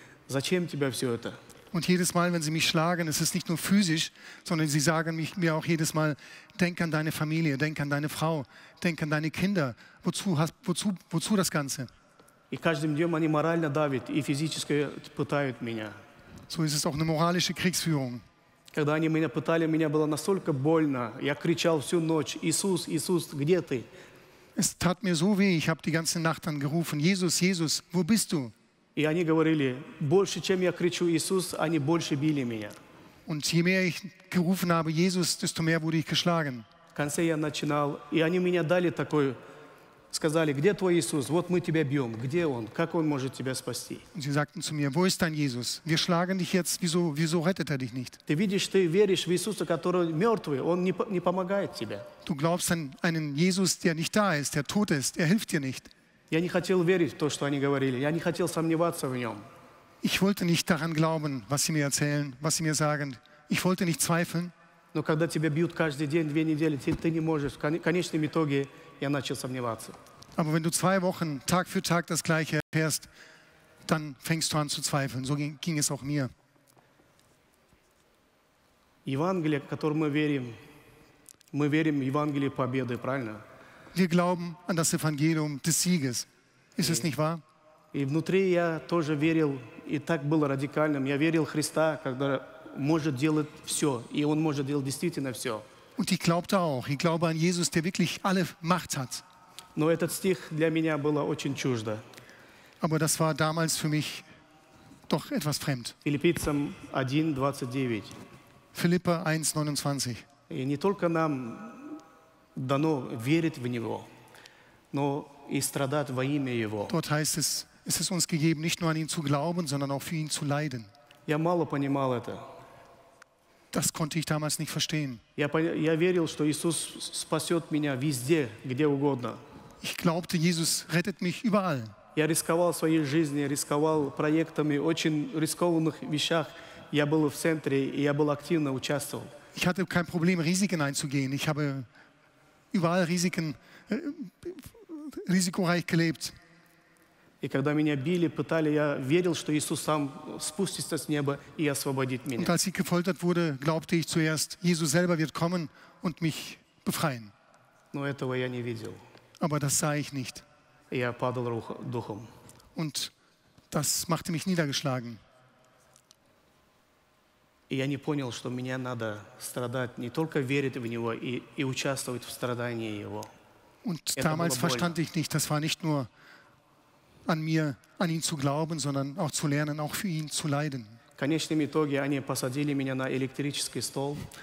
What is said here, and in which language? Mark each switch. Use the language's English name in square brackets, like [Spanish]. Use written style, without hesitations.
[Russian] Зачем тебе все это? [German] Und jedes Mal, wenn sie mich schlagen, es ist nicht nur physisch, sondern sie sagen mir auch jedes Mal, denk an deine Familie, denk an deine Frau, denk an deine Kinder. Wozu das Ganze? [Russian] И каждым днем они морально давят и физически пытают меня. [German] So ist es auch eine moralische Kriegsführung. [Russian] Когда они меня пытали, меня было настолько больно, я кричал всю ночь, Иисус, Иисус, где ты? [German] Es tat mir so weh, ich habe die ganze Nacht dann gerufen, Jesus, Jesus, wo bist du? [Russian] И они говорили, больше, чем я кричу Иисус, они больше били меня. [German] Und je mehr ich gerufen habe, Jesus, desto mehr wurde ich geschlagen. [Russian] В конце я начинал, и они меня дали такой, сказали, где твой Иисус? Вот мы тебя бьем. Где он? Как он может тебя спасти? [German] Und sie sagten zu mir, wo ist dein Jesus? Wir schlagen dich jetzt, wieso rettet dich nicht? [Russian] Ты видишь, ты веришь в Иисуса, который мертвый, он не помогает тебе. [German] Du glaubst an einen Jesus, der nicht da ist, der tot ist, er hilft dir nicht. [Russian] Я не хотел верить в то, что они говорили. Я не хотел сомневаться в нем. [German] Ich wollte nicht daran glauben, was sie mir erzählen, was sie mir sagen. Ich wollte nicht zweifeln. [Russian] Но когда тебя бьют каждый день, 2 недели, ты не можешь. В конечном итоге я начал сомневаться. [German] Aber wenn du 2 Wochen Tag für Tag das Gleiche erfährst, dann fängst du an zu zweifeln. So ging es auch mir. [Russian] Евангелие, которое мы верим в Евангелие победы, правильно? [German] Wir glauben an das Evangelium des Sieges. Ist es nicht wahr? [Russian] И внутри я тоже верил, и так было радикальным. Я верил Христа, когда может делать все, и он может делать действительно все. [German] Und ich glaubte auch. Ich glaube an Jesus, der wirklich alle Macht hat. [Russian] Но этот стих для меня было очень чуждо. [German] Aber das war damals für mich doch etwas fremd. [Russian] Филиппийцам 1:29. [German] Philipper 1:29. [Russian] И не только нам дано верить в Него, но и страдать во имя Его. [German] Dort heißt es, es ist uns gegeben, nicht nur an ihn zu glauben, sondern auch für ihn zu leiden. [Russian] Я мало понимал это. [German] Das konnte ich damals nicht verstehen. [Russian] Я верил, что Иисус спасет меня везде, где угодно. [German] Ich glaubte, Jesus rettet mich überall. [Russian] Я рисковал своей жизнью, рисковал проектами, очень рискованных вещах. Я был в центре, и я был активно участвовал. [German] Ich hatte kein Problem, Risiken einzugehen. Ich habe überall risikoreich gelebt. [Russian] И когда меня били, пытали, я верил, что Иисус сам спустится с неба и освободит меня. [German] Und als ich gefoltert wurde, glaubte ich zuerst, Jesus selber wird kommen und mich befreien. [Russian] Но этого я не видел. [German] Aber das sah ich nicht. [Russian] Я падал духом. [German] Und das machte mich niedergeschlagen. [Russian] И я не понял, что мне надо страдать, не только верить в Него и участвовать в страдании Его. [German] Und [Russian] это [German] damals verstand ich nicht, das war nicht nur an mir, an ihn zu glauben, sondern auch zu lernen, auch für ihn zu leiden. [Russian] В конечном итоге они посадили меня на электрический стол.